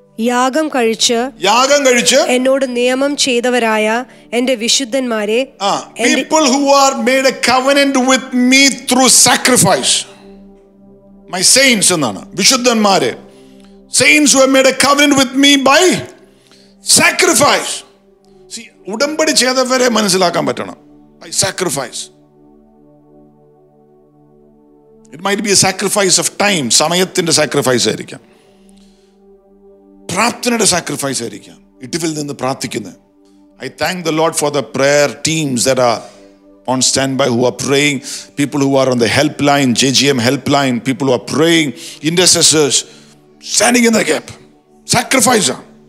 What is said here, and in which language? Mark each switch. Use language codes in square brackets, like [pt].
[ml] യാഗം കഴിച്ച് എന്നോട് നിയമം ചെയ്തവരായ എന്റെ വിശുദ്ധന്മാരെ, [en] people who are made a covenant with me through sacrifice, my saints [ml] എന്നാണ്, വിശുദ്ധന്മാരെ, [en] saints who have made a covenant with me by sacrifice. [ml] See, ഉടമ്പടി ചെയ്തവരെ മനസ്സിലാക്കാൻ പറ്റണം. [en] By sacrifice, it might be a sacrifice of time, [ml] സമയത്തിന്റെ sacrifice ആയിരിക്കാം, പ്രാർത്ഥനയുടെ sacrifice ആയിരിക്കാം. ഇട്ടിഫിൽ നിന്ന് പ്രാർത്ഥിക്കുന്നത്. [en] I thank the Lord for the prayer teams that are on standby, who are praying, people who are on the helpline, J G M helpline, people who are praying, intercessors standing in the gap. Sacrifice ആണ്.